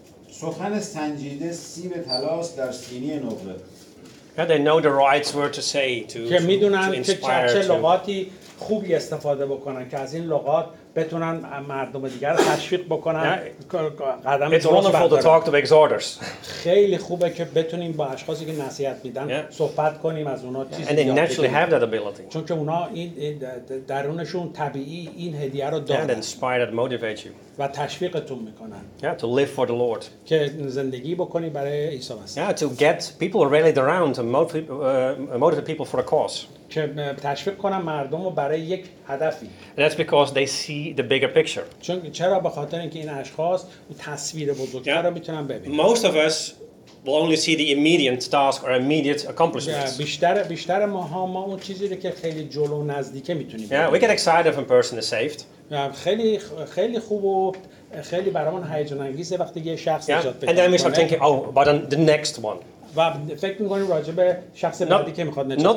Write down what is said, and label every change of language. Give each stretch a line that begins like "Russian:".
Persian: سخن سنجیده سیم طلا است در سینه نقره.
English: Yeah, they know the right word to say to
Persian: که میدونن که چه لغاتی خوبی استفاده بکنن که از این لغات بتونن مردم دیگر رو تشویق بکنن. قدم
English: It's wonderful to talk to exhorters.
Persian: خیلی خوبه که بتونیم با اشخاصی که نصیحت میدن صحبت کنیم از اونها چیزی یاد بگیریم.
English: And they naturally have that ability.
Persian: چون که اونها این درونشون طبیعی این هدیه رو دارن.
English: And inspire and motivate you.
Persian: و تشویقتون میکنن.
English: Yeah, to live for the Lord.
Persian: که زندگی بکنی برای عیسی مسیح.
English: Yeah, to get people rallied around and motivate people for a cause.
Persian: که تشویق کنم مردم رو برای یک هدفی.
English: That's because they see the bigger picture.
Persian: چون چرا به خاطر اینکه این اشخاص تصویر بزرگتر رو میتونن ببینن.
English: Most of us will only see the immediate task or immediate accomplishments.
Persian: بیشتر ماها ما اون چیزی رو که خیلی جلو نزدیکه میتونیم ببینیم.
English: Yeah, we get excited if a person is saved.
Persian: خیلی خوب و خیلی برامون هیجان انگیز وقتی یه شخص نجات پیدا کنه.
English: And then we start thinking, oh, about the next one.
Persian: و فکر میکنیم راجع به شخص بعدی که میخواد نجات